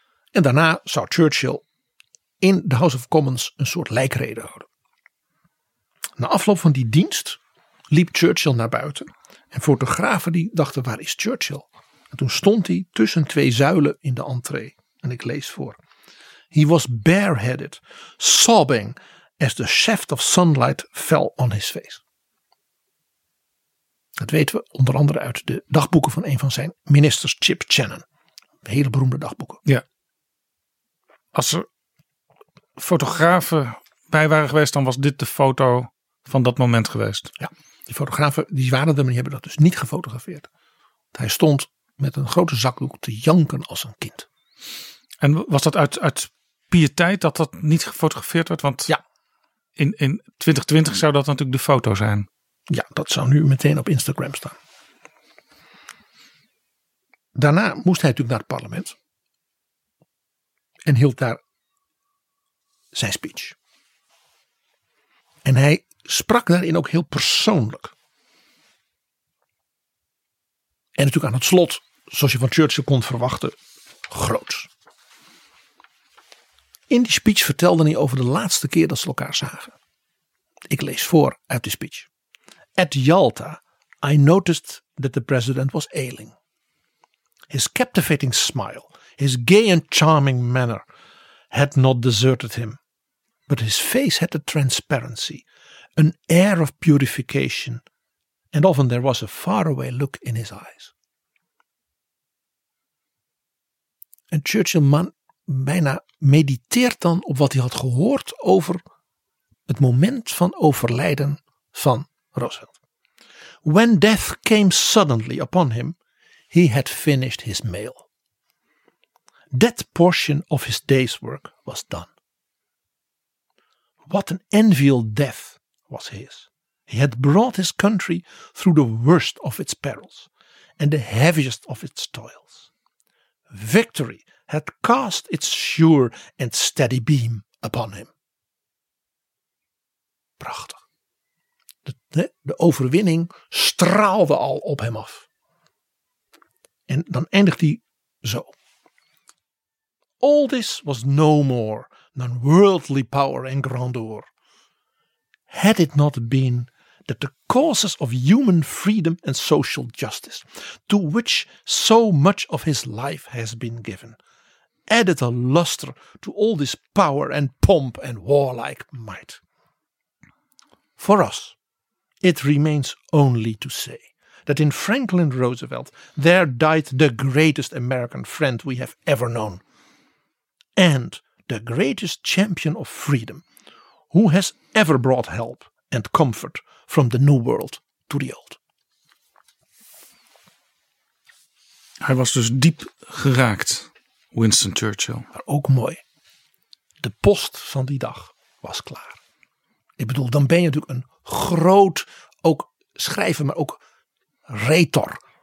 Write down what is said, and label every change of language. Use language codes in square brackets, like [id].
[nl] En daarna zou Churchill in de House of Commons een soort lijkrede houden. Na afloop van die dienst liep Churchill naar buiten. En fotografen die dachten, waar is Churchill? En toen stond hij tussen twee zuilen in de entree. En ik lees voor. [en] He was bareheaded, sobbing, as the shaft of sunlight fell on his face. [nl] Dat weten we onder andere uit de dagboeken van een van zijn ministers, Chip Shannon. Hele beroemde dagboeken. Ja. Als er fotografen bij waren geweest, dan was dit de foto van dat moment geweest. Ja, die fotografen die waren er, maar die hebben dat dus niet gefotografeerd. Hij stond met een grote zakdoek te janken als een kind. En was dat uit pieteit dat dat niet gefotografeerd werd? Want ja, in 2020 zou dat natuurlijk de foto zijn. Ja, dat zou nu meteen op Instagram staan. Daarna moest hij natuurlijk naar het parlement. En hield daar zijn speech. En hij sprak daarin ook heel persoonlijk. En natuurlijk aan het slot, zoals je van Churchill kon verwachten, groots. In die speech vertelde hij over de laatste keer dat ze elkaar zagen. Ik lees voor uit die speech. [en] At Yalta, I noticed that the president was ailing. His captivating smile, his gay and charming manner had not deserted him. But his face had a transparency, an air of purification, and often there was a faraway look in his eyes. [nl] En Churchill bijna mediteert dan op wat hij had gehoord over het moment van overlijden van Roosevelt. [en] When death came suddenly upon him, he had finished his mail. That portion of his day's work was done. What an enviable death was his. He had brought his country through the worst of its perils and the heaviest of its toils. Victory had cast its sure and steady beam upon him. [nl] Prachtig. De overwinning straalde al op hem af. En dan eindigt hij zo. [en] All this was no more than worldly power and grandeur. Had it not been that the causes of human freedom and social justice, to which so much of his life has been given, added a luster to all this power and pomp and warlike might. For us, it remains only to say that in Franklin Roosevelt there died the greatest American friend we have ever known, and the greatest champion of freedom who has ever brought help and comfort from the new world to the old. [nl] Hij was dus diep geraakt, Winston Churchill. Maar ook mooi. De post van die dag was klaar. Ik bedoel, dan ben je natuurlijk een groot, ook schrijver, maar ook retor.